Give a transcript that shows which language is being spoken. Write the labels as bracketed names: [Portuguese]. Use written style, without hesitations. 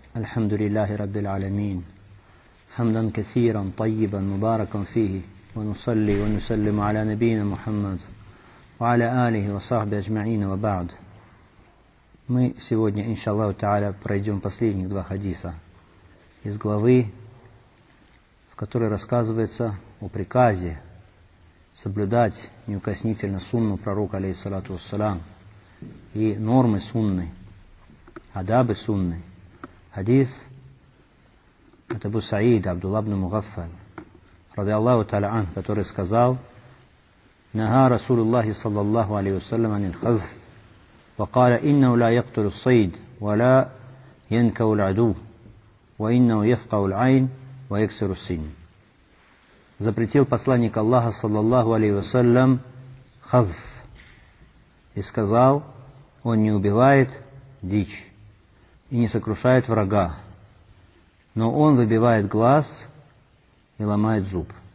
[Arabic] الحمد لله رب العالمين، حمدا كثيرا طيبا مباركا فيه، ونصلي ونسلم على نبينا محمد وعلى آله وصحبه أجمعين، وبعد. [Russian] Мы сегодня, иншаллаху тааля, пройдем последних два хадиса из главы, в которой рассказывается о приказе соблюдать неукоснительно сунну пророка, алейхиссалату вассалям, и нормы сунны, адабы сунны. Хадис от Абу Саида, Абдулла ибн Мугаффаль, ради Аллаху тааля ан, который сказал: [Arabic] «Наха Расулуллахи саллаллаху алейхи вассалям анил хазф». وقال إنه لا يقتل الصيد ولا ينكو العدو وإنه يفقع العين ويكسر السن. [Russian] Запретил посланник Аллаха саллаллаху алейхи вассалям хазф и сказал: он не убивает дичь и не сокрушает врага, но он выбивает глаз и ломает зуб.